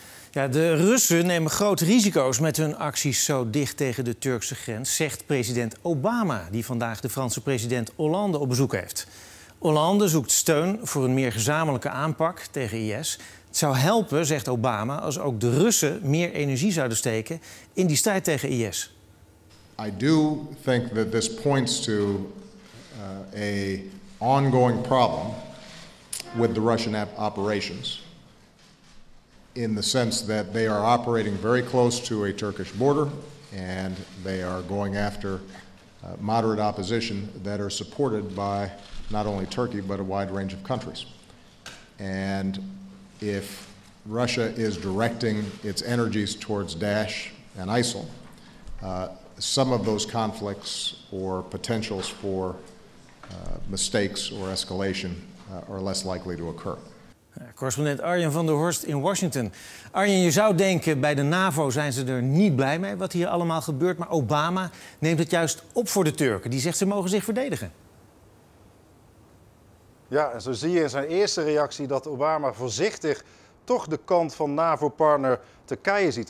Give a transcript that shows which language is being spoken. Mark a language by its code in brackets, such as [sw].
[nl] Ja, de Russen nemen grote risico's met hun acties zo dicht tegen de Turkse grens, zegt president Obama, die vandaag de Franse president Hollande op bezoek heeft. Hollande zoekt steun voor een meer gezamenlijke aanpak tegen IS. Het zou helpen, zegt Obama, als ook de Russen meer energie zouden steken in die strijd tegen IS. [en] I do think that this points to a ongoing problem with the Russian operations. In the sense that they are operating very close to a Turkish border and they are going after moderate opposition that are supported by not only Turkey but a wide range of countries. And if Russia is directing its energies towards Daesh and ISIL, some of those conflicts or potentials for mistakes or escalation are less likely to occur. [nl] Correspondent Arjen van der Horst in Washington. Arjen, je zou denken, bij de NAVO zijn ze er niet blij mee wat hier allemaal gebeurt. Maar Obama neemt het juist op voor de Turken. Die zegt ze mogen zich verdedigen. Ja, en zo zie je in zijn eerste reactie dat Obama voorzichtig toch de kant van NAVO-partner Turkije ziet.